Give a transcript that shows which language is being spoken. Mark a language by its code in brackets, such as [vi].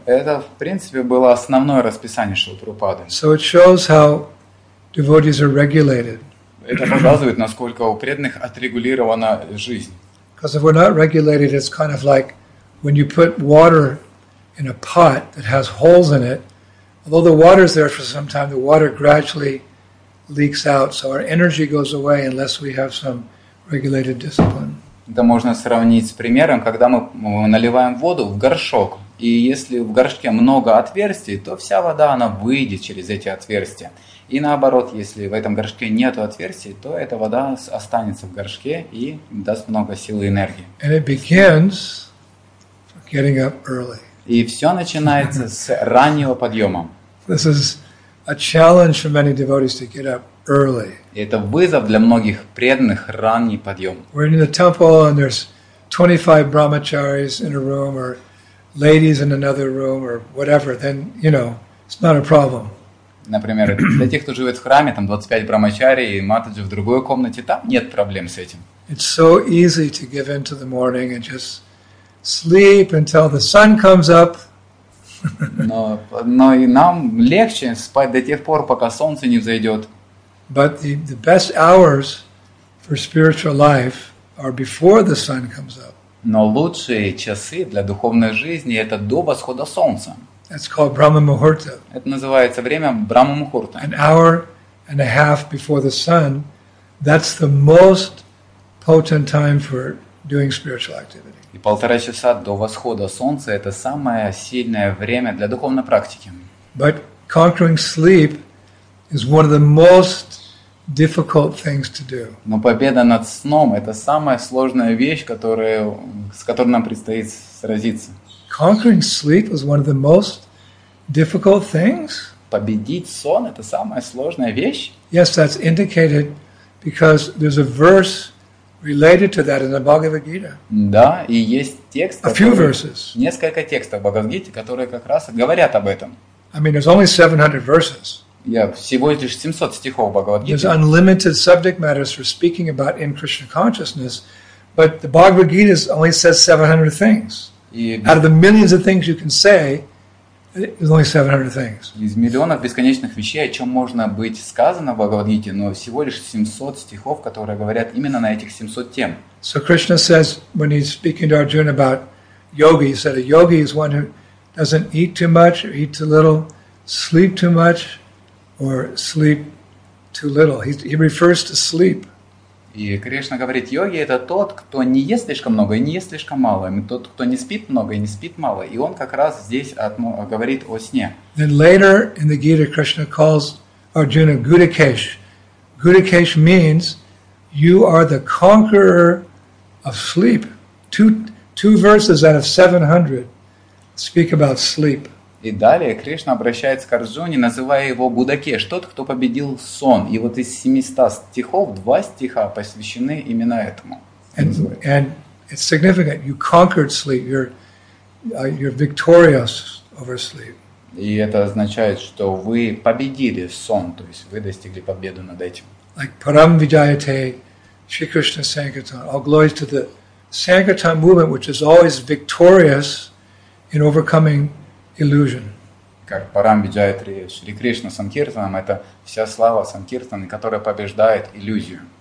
[ru] Это, в принципе, было основное расписание Шрилы Прабхупады. [en] So it shows how devotees are regulated. [ru] Это показывает, насколько у преданных отрегулирована жизнь. [en] Because if we're not regulated, it's kind of like when you put water in a pot that has holes in it. Although the water is there for some time, the water gradually leaks out. So our energy goes away unless we have some regulated discipline. [ru] Это можно сравнить с примером, когда мы наливаем воду в горшок. И если в горшке много отверстий, то вся вода, она выйдет через эти отверстия. И наоборот, если в этом горшке нет отверстий, то эта вода останется в горшке и даст много силы и энергии. [en] And it begins getting up early. [ru] И все начинается с раннего подъема. [en] This is a challenge for many devotees to get up. Early. [ru] Это вызов для многих преданных ранний подъем. [en] We're in the temple and there's 25 brahmacharis in a room or ladies in another room or whatever. Then, you know, it's not a problem. [ru] Например, для тех, кто живет в храме, там 25 брамачари и матаджи в другой комнате, там нет проблем с этим. [en] It's so easy to give in to the morning and just sleep until the sun comes up. [ru] Но и нам легче спать до тех пор, пока солнце не взойдет. [en] But the best hours for spiritual life are before the sun comes up. [ru] Но лучшие часы для духовной жизни это до восхода солнца. [en] That's called Brahma Muhurta. [ru] Это называется время Брахма Мухурта. [en] An hour and a half before the sun, that's the most potent time for doing spiritual activity. [ru] И полтора часа до восхода солнца это самое сильное время для духовной практики. [en] But conquering sleep is one of the most difficult things to do. [ru] Но победа над сном это самая сложная вещь, с которой нам предстоит сразиться. [en] conquering sleep was one of the most difficult things. [ru] Победить сон – это самая сложная вещь. [en] Yes, that's indicated because there's a verse related to that in the Bhagavad Gita. [ru] Да, и есть текст. [en] A few verses. [ru] Несколько текстов Бхагавад-гиты, которые как раз говорят об этом. [en] I mean, there's only 700 verses. [ru] Yeah, всего лишь 700 стихов Бхагавад-гиты. [en] There's unlimited subject matters for speaking about in Krishna consciousness, but the Bhagavad Gita only says 700 things. Out of the millions of things you can say, there's only 700 things. [ru] Из миллионов бесконечных вещей, о чем можно быть сказано в Бхагавад-гите, но всего лишь 700 стихов, которые говорят именно на этих 700 тем. [en] So Krishna says when he's speaking to Arjuna about yoga, he said a yogi is one who doesn't eat too much, or eat too little, sleep too much, or sleep too little. He refers to sleep. [ru] И Кришна говорит, йоги это тот, кто не ест слишком много и не ест слишком мало, и тот, кто не спит много и не спит мало. И он как раз здесь говорит о сне. [en] Then later in the Gita, Krishna calls Arjuna Gudakesh. Gudakesh means you are the conqueror of sleep. Two verses out of 700. Speak about sleep. [ru] И далее Кришна обращается к Арджуне, называя его Гудакеш, тот, кто победил сон. И вот из 700 стихов, два стиха посвящены именно этому. [en] And it's significant. You conquered sleep. You're victorious over sleep. [ru] И это означает, что вы победили сон, то есть вы достигли победы над этим. [en] Like Param Vijayate, Shri Krishna Sankirtan. All glories to the Sankirtan movement, which is always victorious in overcoming illusion. [ru] Как Парам Виджайатри, Шри Кришна Санкиртанам, это вся слава Санкиртаны, которая побеждает иллюзию.